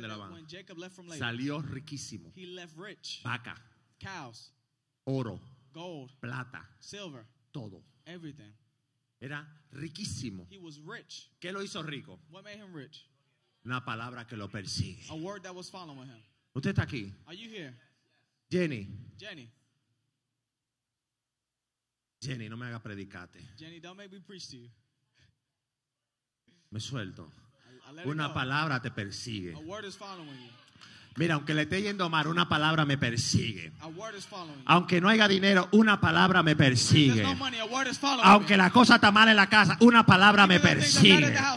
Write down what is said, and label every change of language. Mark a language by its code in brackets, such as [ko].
[en] when Jacob left from Laban, [es] salió riquísimo. [en] He left rich. [es] Vaca. [en] Cows. [es] Oro. [en] Gold. [es] Plata. [en] Silver. [es] Todo. [en] Everything. [es] Era riquísimo. [en] He was rich. [es] ¿Qué lo hizo rico? [en] What made him rich? [es] Una palabra que lo persigue. [en] A word that was following him. [es] ¿Usted está aquí? [en] Are you here? Jenny. Jenny. [es] Jenny, no me haga predicarte. [en] Jenny, don't make me preach to you. [es] Me suelto. [en] I let [es] una palabra te persigue. [en] A word is following you. [es] Mira, aunque le esté yendo mal, una palabra me persigue. Aunque no haya dinero, una palabra me persigue. Aunque la cosa está mal en la casa, una palabra me persigue.